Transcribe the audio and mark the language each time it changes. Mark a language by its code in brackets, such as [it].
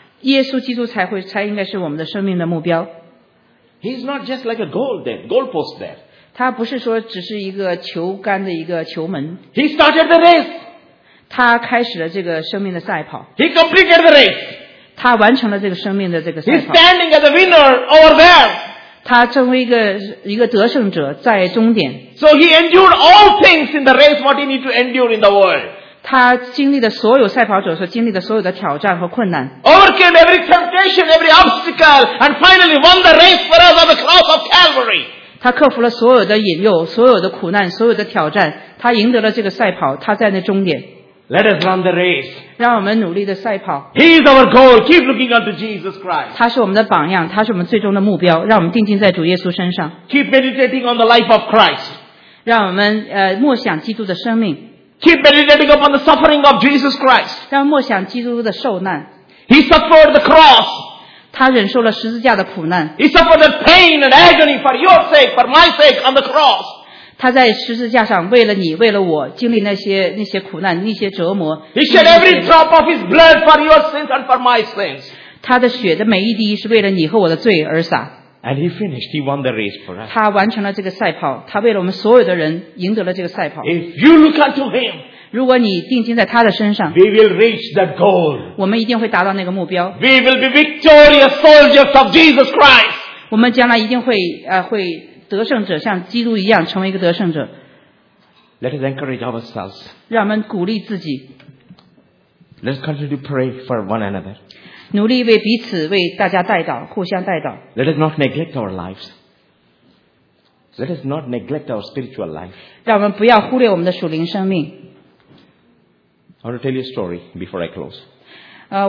[zh] 耶稣基督才应该是我们的生命的目标。 [en] He's not just like a goal there, goalpost there. [zh] 他不是说只是一个球杆的一个球门。 [en] He started the race. [zh] 他开始了这个生命的赛跑。 [en] He completed the race. [zh] 他完成了这个生命的这个赛跑。 [en] He's standing as a winner over there. [zh] 他成为一个得胜者在终点。 [en] So he endured all things in the race what he needed to endure in the world. [zh] 他经历的所有赛跑者所经历的所有的挑战和困难。 [en] Overcame every temptation, every obstacle, and finally won the race for us on the cross of Calvary. [zh] 他克服了所有的引诱，所有的苦难，所有的挑战。他赢得了这个赛跑，他在那终点。 [en] Let us run the race. [zh] 让我们努力地赛跑. [en] He is our goal. Keep looking unto Jesus Christ. [zh] 他是我们的榜样, 他是我们最终的目标, 让我们定睛在主耶稣身上. [en] Keep meditating on the life of Christ. [zh] 让我们, 默想基督的生命. [en] Keep meditating upon the suffering of Jesus Christ. [zh] 让默想基督的受难. [en] He suffered the cross. [zh] 他忍受了十字架的苦难. [en] He suffered the pain and agony for your sake, for my sake, on the cross. [zh] 他在十字架上为了你，为了我经历那些苦难、那些折磨。 [en] He shed every drop of his blood for your sins and for my sins. [zh] 他的血的每一滴是为了你和我的罪而洒。 [en] And he finished. He won the race for us. [zh] 他完成了这个赛跑，他为了我们所有的人赢得了这个赛跑。 [en] If you look unto him, [zh] 如果你定睛在他的身上, [en] we will reach that goal. [zh] 我们一定会达到那个目标。 [en] We will be victorious soldiers of Jesus Christ. [zh] 我们将来一定会。得胜者像基督一样成为一个得胜者. [en] Let us encourage ourselves. [zh] 让我们鼓励自己. [en] Let's continue to pray for one another. [zh] 努力为彼此为大家代祷, 互相代祷. [en] Let us not neglect our lives. Let us not neglect our spiritual life. [zh] 让我们不要忽略我们的属灵生命. [en] I want to tell you a story before I close.